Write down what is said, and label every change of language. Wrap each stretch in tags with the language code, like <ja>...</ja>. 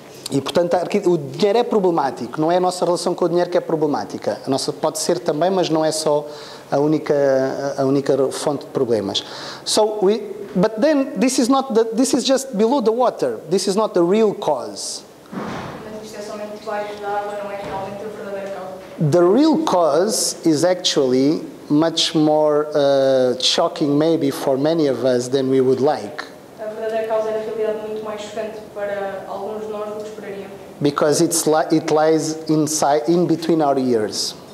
<pt>E, portanto, o dinheiro é problemático, não é a nossa relação com o dinheiro que é problemática. A nossa pode ser também, mas não é só a única fonte de problemas.</pt> <en>This is just below the water. This is not the real cause.</en> <pt>Mas isto é somente debaixo da água, não é realmente a verdadeira causa.</pt> <en>The real cause is actually much more shocking, maybe, for many of us than we would like.</en> <pt>A verdadeira causa é a realidade muito mais chocante para alguns de nós.</pt> <en>Because it lies inside, in between our ears.</en>